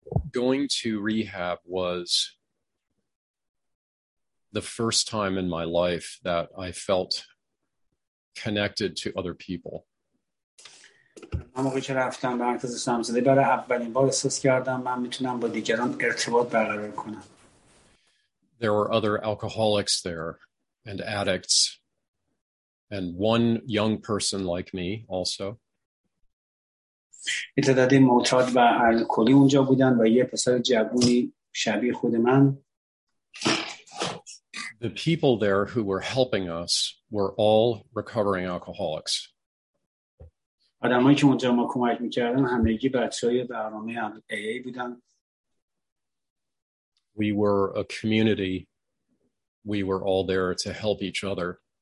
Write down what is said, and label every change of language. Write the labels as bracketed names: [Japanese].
[English] Going to rehab was the first time in my life that I felt connected to other people. [Persian] من وقتی رفتم به مرکز سمزدایی برای اولین بار احساس کردم من میتونم با دیگران ارتباط برقرار کنم. [English] There were other alcoholics there and addicts and one young person like me also. [Persian] تعداد معتاد و الکلی اونجا بودن و یه پسر جوونی شبیه خود من. [English] The people there who were helping us were all recovering alcoholics. [Persian] آدمایی که اونجا ما کمک می‌کردن همگی بچه‌های برنامه AA بودن. [English] We were a community. We were all there to help each other.